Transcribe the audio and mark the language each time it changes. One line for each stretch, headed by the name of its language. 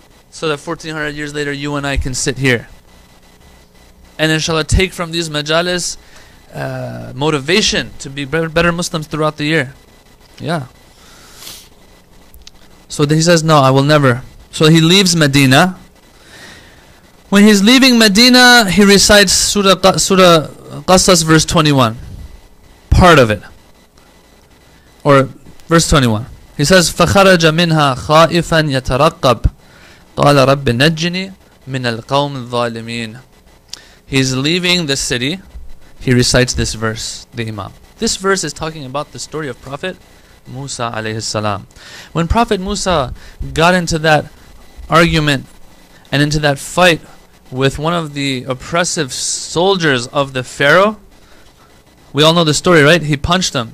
English: So that 1400 years later, you and I can sit here. And inshallah, take from these majalis motivation to be better Muslims throughout the year. Yeah. So he says, no, I will never. So he leaves Medina. When he's leaving Medina, he recites Surah Qasas verse 21. Part of it. Or Verse 21. He says,
Arabic: فَخَرَجَ مِنْهَا خَائِفًا يَتَرَقَّبْ قَالَ رَبِّ نَجِّنِي مِنَ الْقَوْمِ الظَّالِمِينَ.
English: He's leaving the city. He recites this verse, the Imam. This verse is talking about the story of Prophet Musa alayhi salam. When Prophet Musa got into that argument and into that fight with one of the oppressive soldiers of the Pharaoh, we all know the story, right? He punched them.